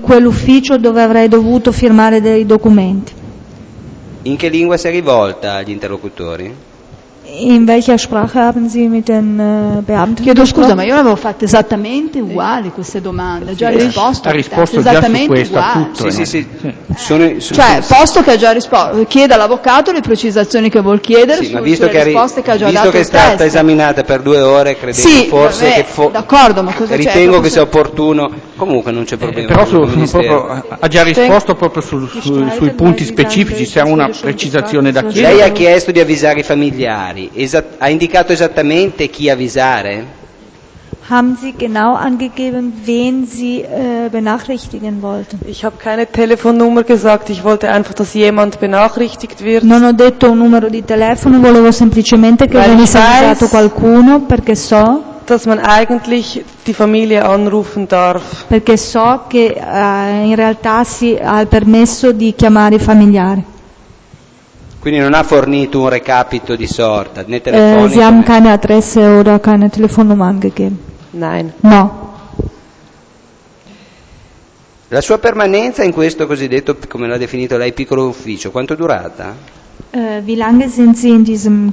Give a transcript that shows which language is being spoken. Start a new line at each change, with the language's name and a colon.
Italian: quell'ufficio dove avrei dovuto firmare dei documenti. In che lingua si è rivolta agli interlocutori?
German: In welcher Sprache haben Sie mit den Beamten?
Italian: Chiedo scusa, ma io l'avevo fatta esattamente uguali queste domande, ha già risposto. Ha risposto esattamente già su questo, uguale. Tutto, sì, sì, sì. Cioè, posto che ha già risposto, chieda all'avvocato le precisazioni che vuol chiedere, sì, sulle risposte che ha già dato. Visto che è stata esamminata per 2 ore, credo sì, forse che fo- d'accordo, ma cosa ritengo che sia opportuno. Comunque non c'è problema. Però ha già risposto proprio sui punti specifici, se ha una precisazione da chiedere. Lei ha chiesto di avvisare i familiari, ha indicato esattamente chi avvisare?
German: Haben Sie genau angegeben, wen Sie benachrichtigen wollten? Ich habe keine Telefonnummer gesagt, ich wollte einfach, dass jemand benachrichtigt wird.
Italian: Non ho detto un numero di telefono, volevo semplicemente che venisse avvisato qualcuno, perché so
German: dass man eigentlich die Familie anrufen darf.
Italian: Perché so che in realtà si ha il permesso di chiamare i familiari. Quindi non ha fornito un recapito di sorta, né telefonico.
German: Sie haben keine Adresse oder keine Telefonnummer angegeben. Nein.
Italian: No. La sua permanenza in questo cosiddetto, come l'ha definito lei, piccolo ufficio, quanto è durata?
German: Wie lange sind Sie in diesem